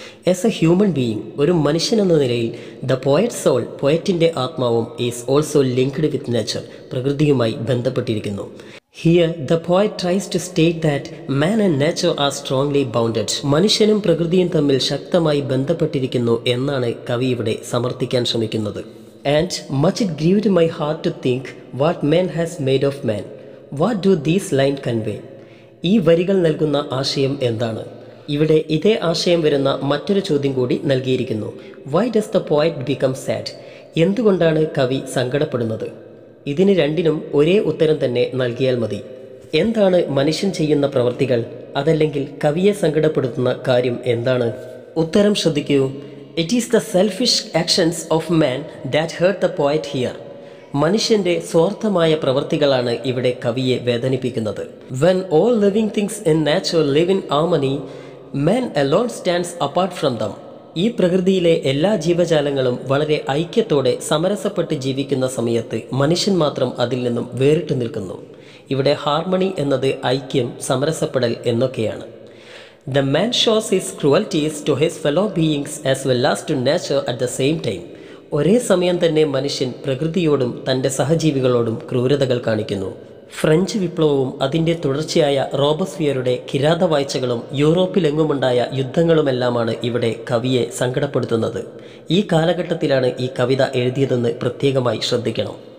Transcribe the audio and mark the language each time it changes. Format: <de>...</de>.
<en>as a human being,</en> <ml>ഒരു മനുഷ്യനെന്ന നിലയിൽ,</ml> <en>the poet soul,</en> <ml>പോയറ്റിൻ്റെ ആത്മാവും,</ml> <en>is also linked with nature,</en> <ml>പ്രകൃതിയുമായി ബന്ധപ്പെട്ടിരിക്കുന്നു.</ml> <en>Here the poet tries to state that man and nature are strongly bounded.</en> <ml>മനുഷ്യനും പ്രകൃതിയും തമ്മിൽ ശക്തമായി ബന്ധപ്പെട്ടിരിക്കുന്നു എന്നാണ് കവി ഇവിടെ സമർത്ഥിക്കാൻ ശ്രമിക്കുന്നത്.</ml> <en>And much it grieved my heart to think what man has made of man. What do these lines convey?</en> <ml>ഈ വരികൾ നൽകുന്ന ആശയം എന്താണ്? ഇവിടെ ഇതേ ആശയം വരുന്ന മറ്റൊരു ചോദ്യം കൂടി നൽകിയിരിക്കുന്നു.</ml> <en>Why does the poet become sad?</en> <ml>എന്തുകൊണ്ടാണ് കവി സങ്കടപ്പെടുന്നത്? ഇതിന് രണ്ടിനും ഒരേ ഉത്തരം തന്നെ നൽകിയാൽ മതി. എന്താണ് മനുഷ്യൻ ചെയ്യുന്ന പ്രവൃത്തികൾ, അതല്ലെങ്കിൽ കവിയെ സങ്കടപ്പെടുത്തുന്ന കാര്യം എന്താണ്? ഉത്തരം ശ്രദ്ധിക്കൂ.</ml> <en>It is the selfish actions of man that hurt the poet here.</en> <ml>മനുഷ്യൻ്റെ സ്വാർത്ഥമായ പ്രവൃത്തികളാണ് ഇവിടെ കവിയെ വേദനിപ്പിക്കുന്നത്.</ml> <en>When all living things in nature live in harmony, man alone stands apart from them.</en> <ml>ഈ പ്രകൃതിയിലെ എല്ലാ ജീവജാലങ്ങളും വളരെ ഐക്യത്തോടെ സമരസപ്പെട്ട് ജീവിക്കുന്ന സമയത്ത് മനുഷ്യൻ മാത്രം അതിൽ നിന്നും വേറിട്ട് നിൽക്കുന്നു. ഇവിടെ ഹാർമണി എന്നത് ഐക്യം, സമരസപ്പെടൽ എന്നൊക്കെയാണ്.</ml> <en>The man shows his cruelties to his fellow beings as well as to nature at the same time.</en> <ml>ഒരേ സമയം തന്നെ മനുഷ്യൻ പ്രകൃതിയോടും തൻ്റെ സഹജീവികളോടും ക്രൂരതകൾ കാണിക്കുന്നു. ഫ്രഞ്ച് വിപ്ലവവും അതിൻ്റെ തുടർച്ചയായ റോബസ്ഫിയറുടെ കിരാത വായിച്ചകളും യൂറോപ്പിലെങ്ങുമുണ്ടായ യുദ്ധങ്ങളുമെല്ലാമാണ് ഇവിടെ കവിയെ സങ്കടപ്പെടുത്തുന്നത്. ഈ കാലഘട്ടത്തിലാണ് ഈ കവിത എഴുതിയതെന്ന് പ്രത്യേകമായി ശ്രദ്ധിക്കണം.</ml>